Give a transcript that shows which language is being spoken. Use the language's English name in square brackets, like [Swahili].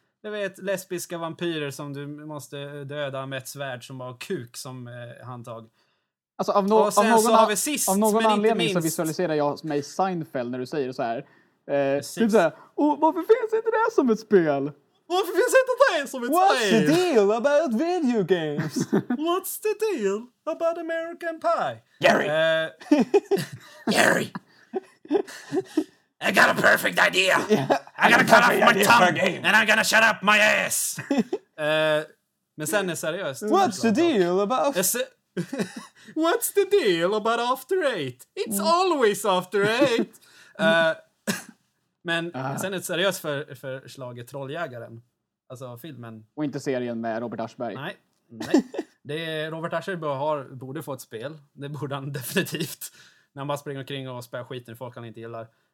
[Swedish] Du vet, lesbiska vampyrer som du måste döda med ett svärd som har kuk som handtag. Alltså av, av någon, så har vi sist, av någon anledning så visualiserar jag mig Seinfeld när du säger så här. Typ så här, varför finns inte det som ett spel? Varför finns inte det som ett [English] What's [Swedish] spel? [English] What's the deal about video games? What's the deal about American Pie? Gary! Gary! I got a perfect idea! Yeah, I'm gonna cut off my tongue and I'm gonna shut up my ass! [Swedish] men sen är seriöst. [English] What's the deal about... What's the deal about After Eight? It's always After Eight! [Swedish] men sen ett seriöst förslag är Trolljägaren. Alltså filmen. Och inte serien med Robert Aschberg. Nej, nej. Det är, Robert Aschberg borde få ett spel. Det borde han definitivt. När han bara springer omkring och spär skiten folk han inte gillar.